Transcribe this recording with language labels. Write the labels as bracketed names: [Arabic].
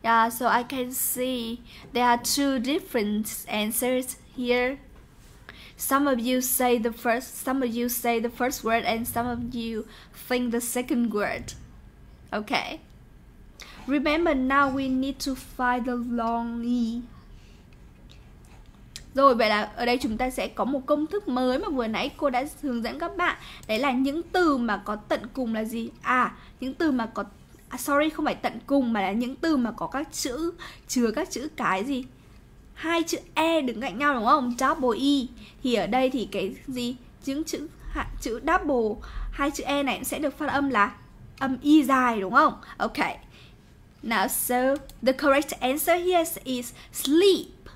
[English] So I can see there are two different answers here. Some of you say the first, some of you say the first word, and some of you think the second word. Okay. Remember, now we need to find the long E. [Vietnamese] Rồi, vậy là ở đây chúng ta sẽ có một công thức mới mà vừa nãy cô đã hướng dẫn các bạn. Đấy là những từ mà có tận cùng là gì? À, những từ mà có, sorry, không phải tận cùng mà là những từ mà có các chữ, chứa các chữ cái gì? Hai chữ E đứng cạnh nhau đúng không? Double E. Thì ở đây thì cái gì? Những chữ chữ double, hai chữ E này sẽ được phát âm là âm I dài đúng không? [English] Ok. Now, so the correct answer here is sleep.